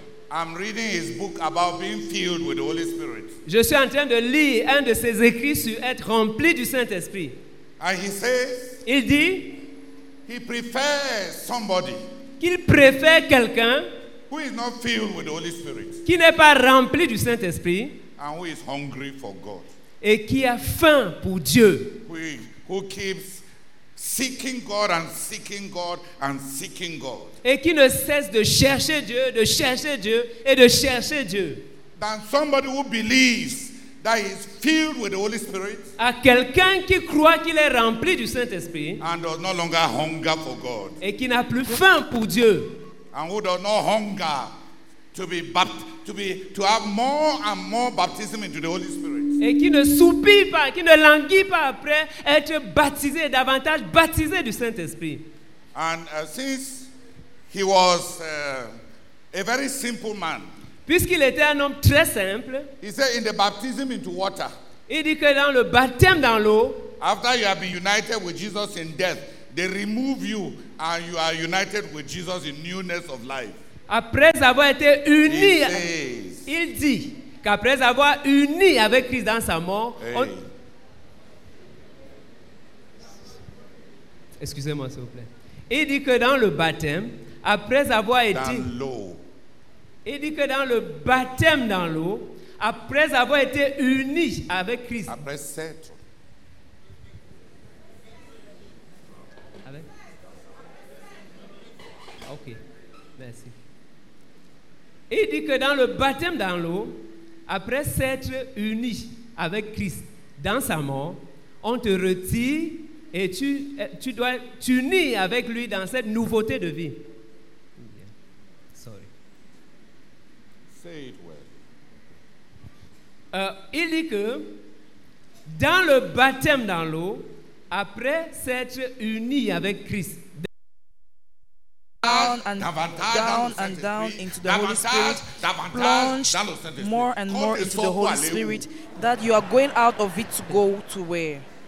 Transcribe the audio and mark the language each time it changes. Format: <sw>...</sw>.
<en>I'm reading his book about being filled with the Holy Spirit.</en> <fr>Je suis en train de lire un de ses écrits sur être rempli du Saint-Esprit.</fr> <en>And he says,</en> <fr>il dit,</fr> <en>he prefers somebody</en> <fr>qu'il préfère quelqu'un</fr> <en>who is not filled with the Holy Spirit,</en> <fr>qui n'est pas rempli du Saint-Esprit,</fr> <en>and who is hungry for God,</en> <fr>et qui a faim pour Dieu,</fr> <en>who keeps seeking God and seeking God and seeking God,</en> <fr>et qui ne cesse de chercher Dieu, de chercher Dieu et de chercher Dieu,</fr> <en>than somebody who believes that he is filled with the Holy Spirit,</en> <fr>à quelqu'un qui croit qu'il est rempli du Saint-Esprit,</fr> <en>and does no longer hunger for God,</en> <fr>et qui n'a plus faim pour Dieu,</fr> <en>and who does not hunger to have more and more baptism into the Holy Spirit.</en> <fr>Et qui ne soupire pas, qui ne languit pas après être baptisé, davantage baptisé du Saint-Esprit.</fr> <en>And since he was a very simple man,</en> <fr>puisqu'il était un homme très simple,</fr> <en>he said in the baptism into water,</en> <fr>il dit que dans le baptême dans l'eau,</fr> <en>after you have been united with Jesus in death, they remove you and you are united with Jesus in newness of life.</en> <fr>Après avoir été uni, il dit qu'après avoir uni avec Christ dans sa mort, on... excusez-moi s'il vous plaît. Il dit que dans le baptême, après avoir été dans l'eau, il dit que dans le baptême dans l'eau, après avoir été uni avec Christ, après s'être avec... ok, merci. Il dit que dans le baptême dans l'eau, après s'être uni avec Christ dans sa mort, on te retire et tu dois t'unir avec lui dans cette nouveauté de vie.</fr> <en>Yeah. Sorry. Say it well.</en> <fr>Il dit que dans le baptême dans l'eau, après s'être uni avec Christ,</fr> <en>down and down into the Holy Spirit, plunge more and more into the Holy Spirit, that you are going out of it to go to where?</en>